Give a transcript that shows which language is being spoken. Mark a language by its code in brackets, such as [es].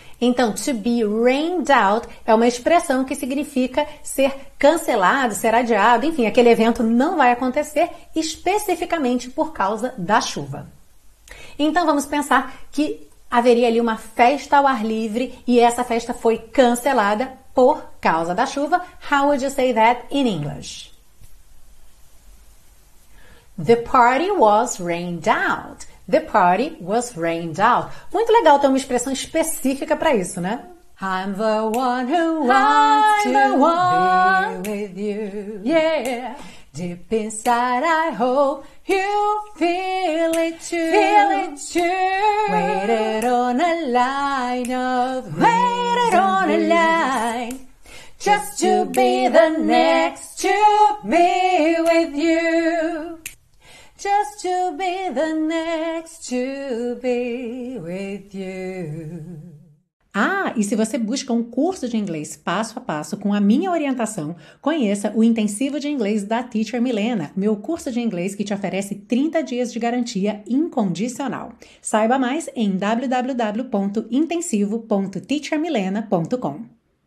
[pt] Então, to be rained out é uma expressão que significa ser cancelado, ser adiado. Enfim, aquele evento não vai acontecer especificamente por causa da chuva. Então, vamos pensar que haveria ali uma festa ao ar livre e essa festa foi cancelada por causa da chuva. [en] How would you say that in English? The party was rained out. The party was rained out. [pt] Muito legal ter uma expressão específica para isso, né? [en] I'm the one who wants to be with you. Yeah. Deep inside I hope you feel it too. Feel it too. Waited on a line of waited on a line. Just to be the next to me with you. Just to be the next to be with you. [pt] Ah, e se você busca um curso de inglês passo a passo com a minha orientação, conheça o Intensivo de Inglês da Teacher Milena, meu curso de inglês que te oferece 30 dias de garantia incondicional. Saiba mais em www.intensivo.teachermilena.com.